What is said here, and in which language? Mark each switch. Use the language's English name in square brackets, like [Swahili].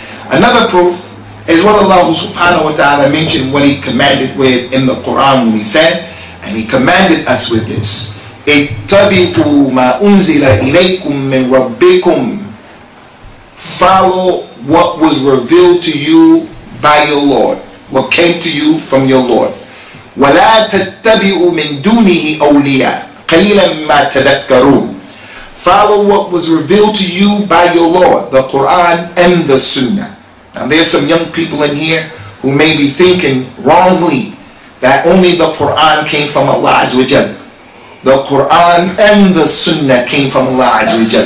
[English] Another proof is what Allah subhanahu wa ta'ala mentioned what he commanded with in the Qur'an when he said, and he commanded us with this, [Arabic] اتبعوا ما أنزل إليكم من ربكم. [English] Follow what was revealed to you by your Lord, what came to you from your Lord. [Arabic] ولا تتبعوا من دونه أولياء قليلاً ما تذكرون. [English] Follow what was revealed to you by your Lord, the Qur'an and the Sunnah. Now there's some young people in here who may be thinking wrongly that only the Qur'an came from Allah Azza wa Jal. The Qur'an and the Sunnah came from Allah Azza wa Jal.